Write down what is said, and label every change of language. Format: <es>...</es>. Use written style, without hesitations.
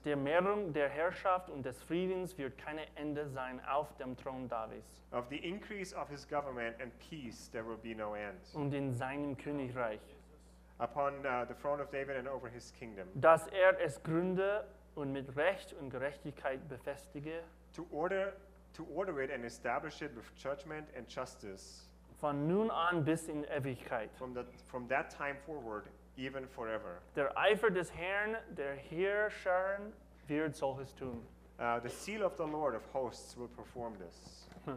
<de>Der Mehrung der Herrschaft und des Friedens wird kein Ende sein auf dem Thron Davids.</de> <en>Of the increase of his government and peace there will be no end.</en> <de>Und in seinem Königreich.</de> <en>Upon the throne of David and over his kingdom.</en> <de>Dass es gründe und mit Recht und Gerechtigkeit befestige.</de> <en>To order it and establish it with judgment and justice.</en> <de>Von nun an bis in Ewigkeit.</de> <en>From that time forward. Even forever.</en> <de>Der Eifer des Herrn, der Heerscharen, wird solches tun.</de> <en>The seal of the Lord of hosts will perform this.</en>